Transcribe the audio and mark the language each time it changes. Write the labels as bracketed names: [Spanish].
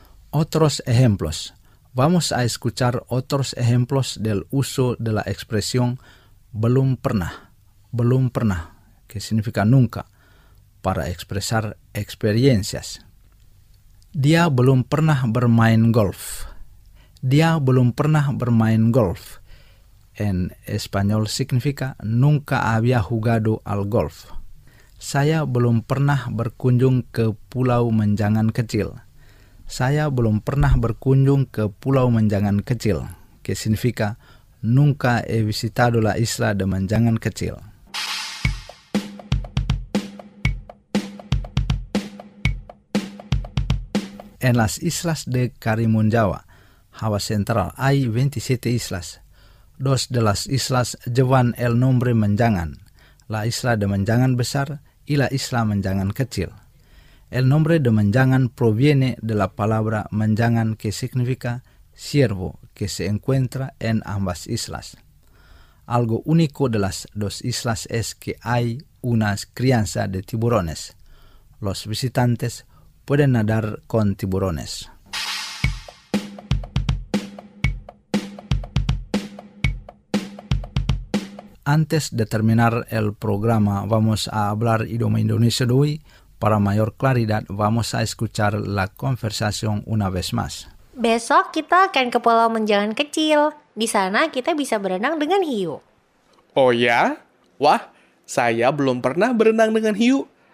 [Spanish] Otros ejemplos. Vamos a escuchar otros ejemplos del uso de la expresión belum pernah, belum pernah, que significa nunca, para expresar experiencias. [Indonesian] Dia belum pernah bermain golf. Dia belum pernah bermain golf. [Spanish] En español significa nunca había jugado al golf. [Indonesian] Saya belum pernah berkunjung ke Pulau Menjangan Kecil. Saya belum pernah berkunjung ke Pulau Menjangan Kecil. [Spanish] Que significa nunca he visitado la isla de Menjangan Kecil. En las islas de Karimun Jawa, Java Central, hay 27 islas. Dos de las islas llevan el nombre Menjangan, la isla de Menjangan Besar y la isla Menjangan Kecil. El nombre de Menjangan proviene de la palabra Menjangan que significa ciervo que se encuentra en ambas islas. Algo único de las dos islas es que hay una crianza de tiburones. Los visitantes pueden nadar con tiburones. Antes de terminar el programa, vamos a hablar idioma indonesio de hoy. Para mayor claridad, vamos a escuchar la conversación una vez más. [Indonesian] Besok kita akan ke Pulau Menjangan Kecil. Di sana kita bisa berenang dengan hiu. Oh ya? Wah, saya belum pernah berenang dengan hiu.